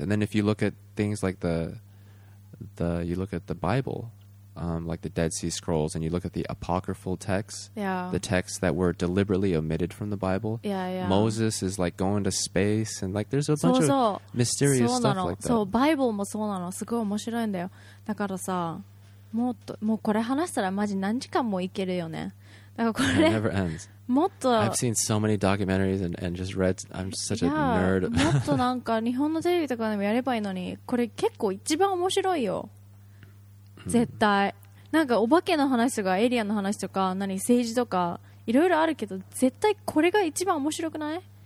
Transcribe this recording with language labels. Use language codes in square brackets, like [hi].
[en] And then if you look at things like you look at the Bible... like the Dead Sea Scrolls and you look at the apocryphal texts yeah. the texts that were deliberately omitted from the Bible yeah, yeah. Moses is like going to space and like there's a bunch of mysterious stuff like that [ja] そう、バイブルもそうなのすごい面白いんだよだからさもっともうこれ話したらマジ何時間もいけるよね。だからこれ [en] It never ends. [ja] もっと [en] I've seen so many documentaries and just read. I'm just such a nerd. [ja] もっとなんか日本のテレビとかでもやればいいのに、これ結構一番面白いよ。絶対。なんかお化けの話とかエイリアンの話とか何政治とかいろいろあるけど、絶対これが一番面白くない？